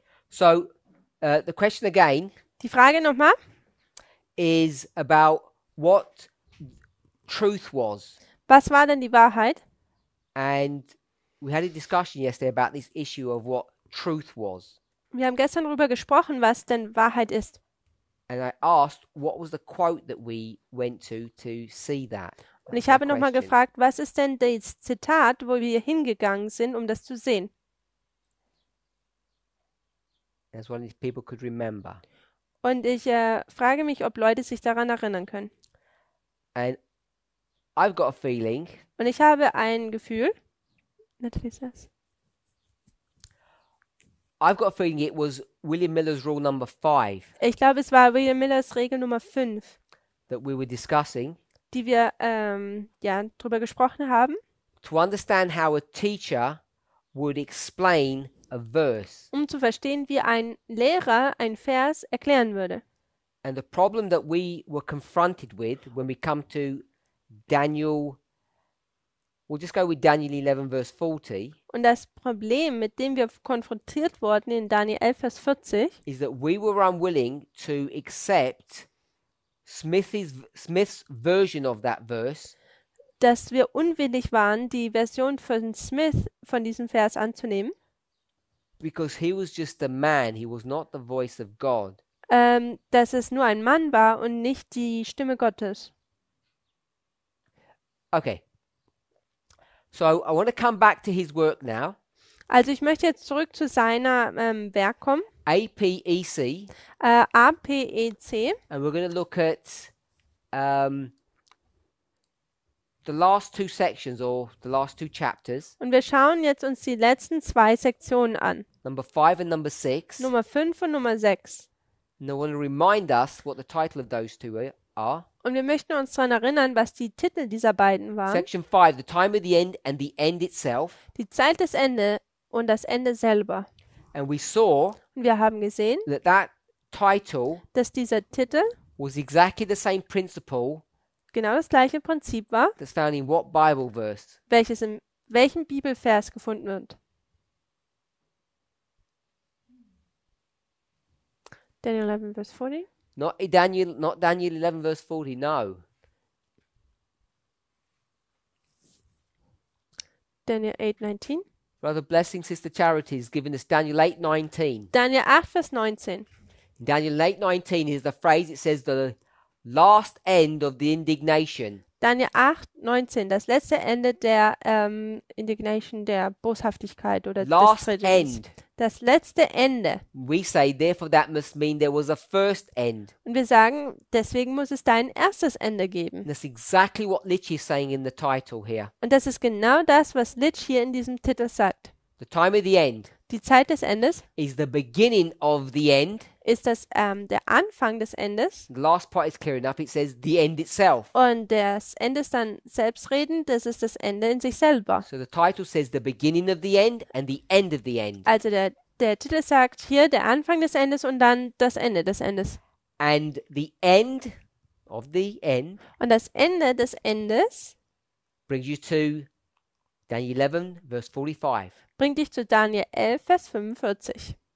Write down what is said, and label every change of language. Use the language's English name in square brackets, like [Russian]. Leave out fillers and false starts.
[English] So, the question again. [German] Die Frage nochmal. [English] Is about what truth was. [German] Was war denn die Wahrheit? [English] And we had a discussion yesterday about this issue of what truth was. [German] Wir haben gestern darüber gesprochen, was denn Wahrheit ist. [English] And I asked, what was the quote that we went to see that? [German] Und ich habe nochmal gefragt, was ist denn das Zitat, wo wir hingegangen sind, um das zu sehen? [English] As one of people could remember. [German] Und ich frage mich, ob Leute sich daran erinnern können. [English] And I've got a feeling. [German] Und ich habe ein Gefühl. Natürlich ist das. [English] I've got a feeling it was William Miller's rule number 5. [German] Ich glaube, es war William Millers Regel Nummer 5. [English] That we were discussing. [German] Die wir ja drüber gesprochen haben. [English] To understand how a teacher would explain a verse. [German] Um zu verstehen, wie ein Lehrer ein Vers erklären würde. [English] And the problem that we were confronted with when we come to Daniel, we'll just go with Daniel 11 verse 40. [German] Und das Problem, mit dem wir konfrontiert wurden in Daniel 11, Vers 40, [English] is that we were unwilling to accept Smith's version of that verse, [German] dass wir unwillig waren, die Version von Smith von diesem Vers anzunehmen, [English] because he was just a man, he was not the voice of God. [German] Dass es nur ein Mann war und nicht die Stimme Gottes. [English] Okay. So I want to come back to his work now. [German] Also ich möchte jetzt zurück zu seiner Werk kommen. [English] APEC. [German] APEC. [English] And we're going to look at the last two sections or the last two chapters. [German] Und wir schauen jetzt uns die letzten zwei Sektionen an. [English] Number 5 and number 6. [German] Nummer 5 und Nummer 6. [English] And I want to remind us what the title of those two are. [German] Und wir möchten uns daran erinnern, was die Titel dieser beiden waren. [English] Section 5, the time of the end and the end itself. [German] Die Zeit des Ende und das Ende selber. [English] And we saw, [German] und wir haben gesehen, [English] that title, [German] dass dieser Titel [English] was exactly the same principle, [German] genau das gleiche Prinzip war, [English] that's found in what Bible verse? [German] Welches in welchem Bibelvers gefunden wird. [English] Daniel 11, verse 40. Not Daniel 11, verse 40, no. Daniel 8, 19. Brother Blessing Sister Charity has given us Daniel 8, 19. Daniel 8, verse 19. Daniel 8, 19 is the phrase, it says the last end of the indignation. [German] Daniel 8, 19, das letzte Ende der Indignation, der Boshaftigkeit oder [English] last [German] des Friedens. End. Das letzte Ende. [English] We say, therefore, that must mean there was a first end. [German] Und wir sagen, deswegen muss es dein erstes Ende geben. [English] That's exactly what Litch is saying in the title here. [German] Und das ist genau das, was Litch hier in diesem Titel sagt. [English] The time of the end. [German] Die Zeit des Endes. [English] Is the beginning of the end. [German] Ist das der Anfang des Endes. [English] The last part is clear enough. It says the end itself. [German] Und das Ende ist dann selbstredend. Das ist das Ende in sich selber. [English] So the title says the beginning of the end and the end of the end. [German] Also der Titel sagt hier der Anfang des Endes und dann das Ende des Endes. [English] And the end of the end. [German] Und das Ende des Endes. [English] Brings you to Daniel 11, verse 45. [German] Bringt dich zu Daniel 11, Vers 45.